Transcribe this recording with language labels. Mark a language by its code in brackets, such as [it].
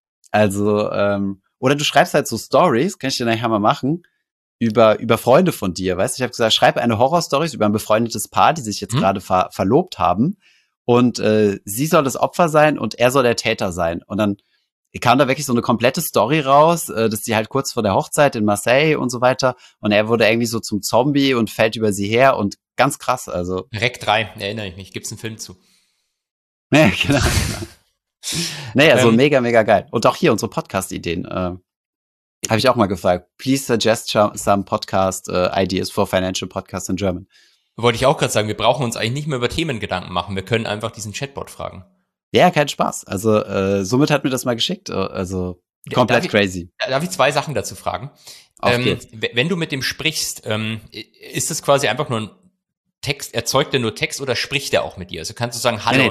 [de] Also, oder du schreibst halt so Stories, kann ich dir nachher mal machen, über Freunde von dir, weißt du, ich habe gesagt, schreib eine Horror-Story über ein befreundetes Paar, die sich jetzt gerade verlobt haben und sie soll das Opfer sein und er soll der Täter sein und dann kam da wirklich so eine komplette Story raus, dass sie halt kurz vor der Hochzeit in Marseille und so weiter und er wurde irgendwie so zum Zombie und fällt über sie her und ganz krass, also. Rec 3, erinnere ich mich, gibt's einen Film zu. Ja, genau. Naja, so mega, mega geil. Und auch hier unsere Podcast-Ideen, habe ich auch mal gefragt. [en] Please suggest some podcast ideas for financial podcasts in German. [de] Wollte ich auch gerade sagen, wir brauchen uns eigentlich nicht mehr über Themen Gedanken machen, wir können einfach diesen Chatbot fragen. Ja, kein Spaß. Also somit hat mir das mal geschickt. Also komplett crazy. Darf ich zwei Sachen dazu fragen? Wenn du mit dem sprichst, ist das quasi einfach nur ein Text, erzeugt der nur Text oder spricht der auch mit dir? Also kannst du sagen Hallo